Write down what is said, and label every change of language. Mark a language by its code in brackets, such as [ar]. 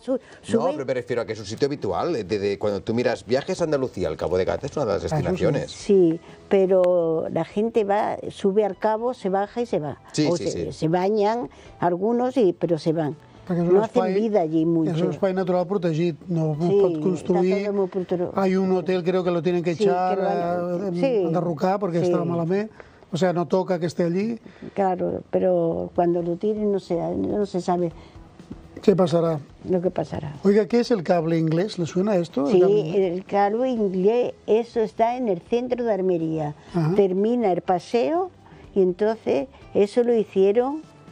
[es] No, pero me refiero a que es un sitio habitual. De cuando tú miras viajes a Andalucía, el Cabo de Gata es una de las destinaciones. Sí, pero la gente va, sube al cabo, se baja y se va. Sí. Se bañan algunos, pero se van. [ca] Perquè no fan vida allí mucho. És un espai natural protegit, no es pot construir. [es] Hay un hotel, creo que lo tienen que echar, derrocar, [ca] perquè està malament. [es] O sea, no toca que esté allí. Claro, pero cuando lo tiren no se sabe. ¿Qué pasará? Lo que pasará. Oiga, ¿qué es el cable inglés? ¿Le suena esto? Sí, el cable inglés, eso está en el centro de Almería. Termina el paseo y entonces eso lo hicieron...